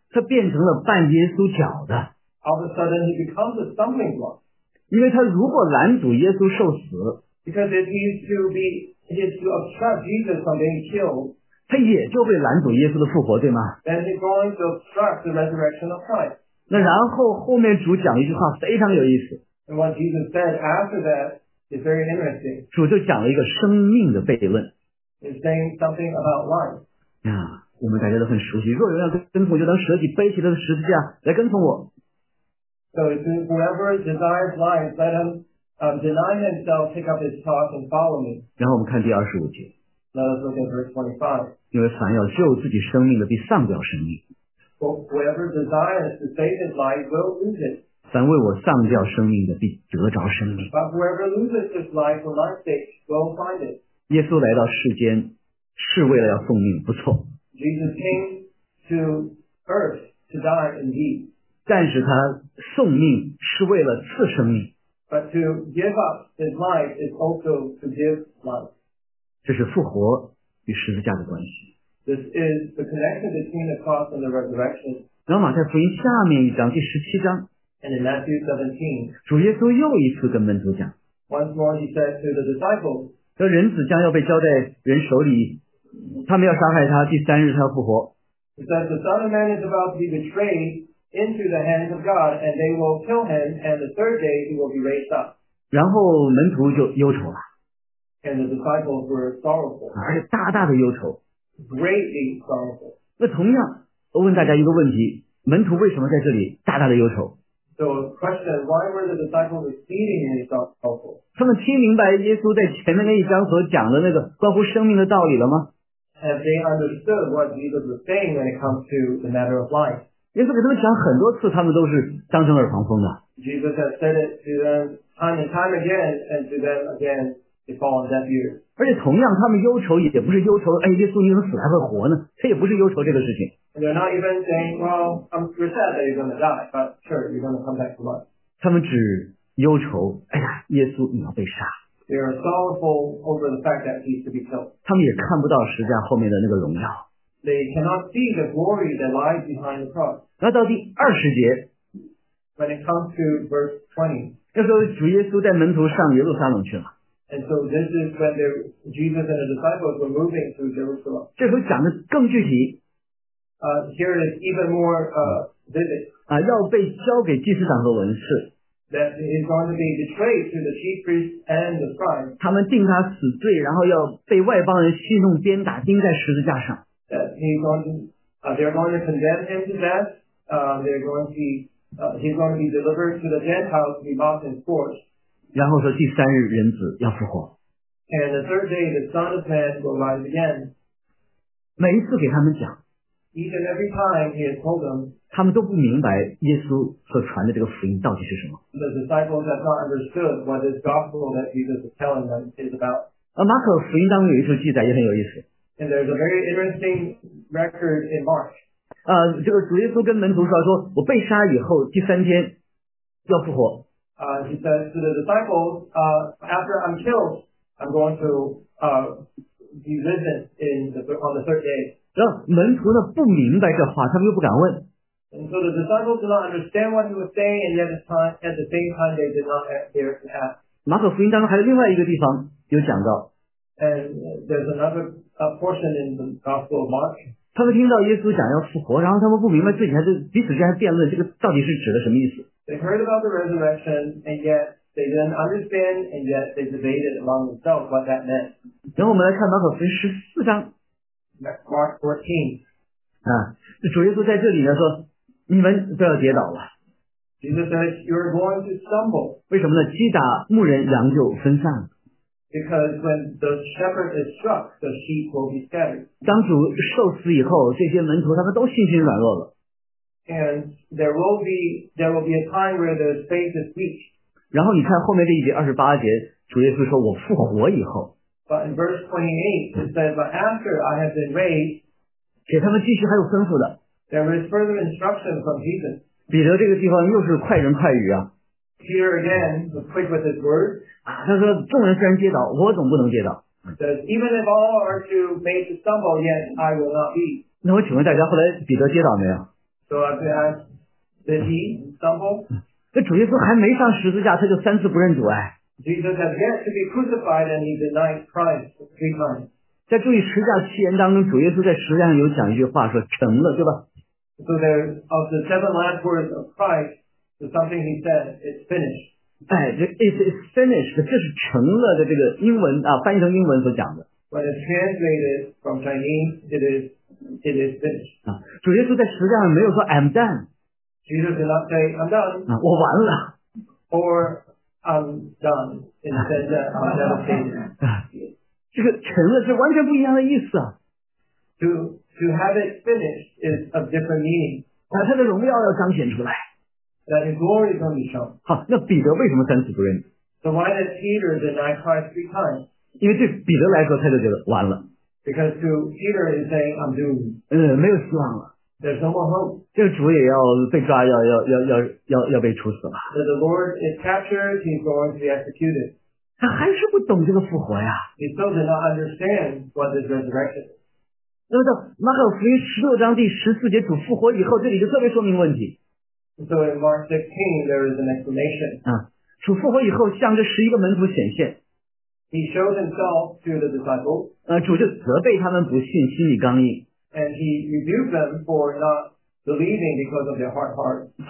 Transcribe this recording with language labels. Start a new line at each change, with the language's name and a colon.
Chinese: 他变成了绊耶稣脚的。
English: All of a sudden, he becomes a stumbling block.
Chinese: 因为他如果拦阻耶稣受死
English: ，Because if he is to be It is to obstruct Jesus from being killed.
Chinese: 他也就被拦阻耶稣的复活，对吗
English: ？Then he's going to obstruct the resurrection of Christ.
Chinese: 那然后后面主讲一句话非常有意思。
English: And what Jesus said after that is very interesting.
Chinese: 主就讲了一个生命的悖论。
English: He's saying something about life.
Chinese: 呀，我们大家都很熟悉。若有人要跟从，就当舍己，背起他的十字架来跟从我。
English: So it says, whoever desires life, let him deny himself, pick up his cross and follow me.
Chinese: 然后我们看第二十五节。
English: Let us look at verse 25.
Chinese: 因为凡要救自己生命的必丧掉生命。
English: Whoever desires to save his life will lose it.
Chinese: 凡为我丧掉生命的必得着生命。
English: But whoever loses his life for my sake will find it.
Chinese: 耶稣来到世间是为了要奉命，不错。
English: Jesus came to earth to die indeed.
Chinese: 但是他送命是为了赐生命。
English: But to give up his life is also to give life.
Chinese: 这是复活与十字架的关系。
English: This is the connection between the cross and the resurrection.
Chinese: 然后马太福音下面一章第十七章。
English: And in Matthew 17,
Chinese: 主耶稣又一次跟门徒讲。
English: Once more he said to the disciples,
Chinese: 说人子将要被交在人手里，他们要杀害他，第三日他要复活。
English: He said the Son of Man is about to be betrayed into the hands of God, and they will kill him, and the third day he will be raised up.
Chinese: 然后门徒就忧愁了。
English: And the disciples were sorrowful.
Chinese: 而且大大的忧愁。
English: Greatly sorrowful.
Chinese: 那同样我问大家一个问题，门徒为什么在这里大大的忧愁？
English: So the question is, why were the disciples exceedingly sorrowful?
Chinese: 他们听明白耶稣在前面那一章所讲的那个关乎生命的道理了吗？
English: Have they understood what Jesus was saying when it comes to the matter of life?
Chinese: 耶稣给他们讲很多次，他们都是当成耳旁风的。
English: Jesus has said it to them time and time again, and to them again, they fall on deaf ears.
Chinese: 而且同样他们忧愁也不是忧愁，哎，耶稣你怎么死还会活呢？他也不是忧愁这个事情。
English: They're not even saying, well, I'm sure sad that you're going to die, but sure, you're going to come back to life.
Chinese: 他们只忧愁，哎呀，耶稣你要被杀。
English: They are sorrowful over the fact that he's to be killed.
Chinese: 他们也看不到十字架后面的那个荣耀。
English: They cannot see the glory that lies behind the cross.
Chinese: 那到第二十节。
English: When it comes to verse 20.
Chinese: 那时候主耶稣带门徒上耶路撒冷去了。
English: And so this is when Jesus and the disciples were moving to Jerusalem.
Chinese: 这时候讲的更具体。
English: Here it is even more vivid.
Chinese: 啊，要被交给祭司长和文士。
English: That is going to be betrayed to the chief priests and the scribes.
Chinese: 他们定他死罪，然后要被外邦人戏弄、鞭打、钉在十字架上。
English: That he's going to, they're going to condemn him to death. He's going to be delivered to the Gentiles to be mocked and scourged.
Chinese: 然后说第三日人子要复活。
English: And the third day the Son of Man will rise again.
Chinese: 每一次给他们讲。
English: Each and every time he has told them,
Chinese: 他们都不明白耶稣所传的这个福音到底是什么。
English: The disciples have not understood what this gospel that Jesus is telling them is about.
Chinese: 马可福音当中有一处记载也很有意思。
English: And there's a very interesting record in Mark.
Chinese: 这个主耶稣跟门徒说我被杀以后第三天要复活。
English: He says to the disciples, after I'm killed, I'm going to be risen on the third day.
Chinese: 然后门徒呢不明白这话，他们又不敢问。
English: And so the disciples did not understand what he was saying, and yet at the same time they did not dare to ask.
Chinese: 马可福音当中还有另外一个地方有讲到。
English: And there's another portion in the Gospel of Mark.
Chinese: 他们听到耶稣讲要复活，然后他们不明白自己还是彼此之间还辩论，这个到底是指的什么意思。
English: They heard about the resurrection, and yet they didn't understand, and yet they debated among themselves what that meant.
Chinese: 然后我们来看马可福音十四章。
English: Mark 14.
Chinese: 主耶稣在这里呢说你们都要跌倒了。
English: Jesus says, you're going to stumble.
Chinese: 为什么呢？击打牧人羊就分散了。
English: Because when the shepherd is struck, the sheep will be scattered.
Chinese: 当主受死以后这些门徒他们都信心软弱了。
English: And there will be a time where the faith is weak.
Chinese: 然后你看后面这一节二十八节主耶稣说我复活以后。
English: But in verse 28, it says, but after I have been raised,
Chinese: 给他们继续还有吩咐的。
English: There is further instruction from Jesus.
Chinese: 彼得这个地方又是快人快语啊。
English: Peter again was quick with his word.
Chinese: 他说众人虽然跌倒我总不能跌倒。
English: Says, even if all are to make the stumble, yet I will not be.
Chinese: 那我请问大家后来彼得跌倒没有？
English: So I've been asked, did he stumble?
Chinese: 那主耶稣还没上十字架他就三次不认主哎。
English: Jesus has yet to be crucified and he denied Christ three times.
Chinese: 在注意十字架七言当中主耶稣在十字架上有讲一句话说成了对吧。
English: So there, of the seven last words of Christ, something he said, it's finished.
Chinese: 哎
English: it's finished,
Chinese: 这是成了的这个英文啊翻译成英文所讲的。
English: When it's translated from Chinese, it is finished.
Chinese: 主耶稣在十字架上没有说
English: I'm done. Jesus did not say, I'm done.
Chinese: 我完了。
English: Or, I'm done. Instead, I'm devastated.
Chinese: 这个成了是完全不一样的意思啊。
English: To have it finished is of different meaning.
Chinese: 把他的荣耀要彰显出来。
English: That his glory is going to be shown.
Chinese: 好，那彼得为什么三次不认？
English: So why did Peter deny Christ three times?
Chinese: 因为对彼得来说他就觉得完了。
English: Because to Peter he's saying, I'm doomed.
Chinese: 没有希望了。
English: There's no more hope.
Chinese: 这个主也要被抓要被处死了。
English: So the Lord is captured, he's going to be executed.
Chinese: 他还是不懂这个复活呀。
English: He still did not understand what this resurrection is.
Chinese: 那么到马可福音十六章第十四节主复活以后这里就特别说明问题。
English: So in Mark 16, there is an explanation.
Chinese: 主复活以后向着十一个门徒显现。
English: He showed himself to the disciples.
Chinese: 主就责备他们不信心里刚硬。
English: And he rebuked them for not believing because of their hard heart.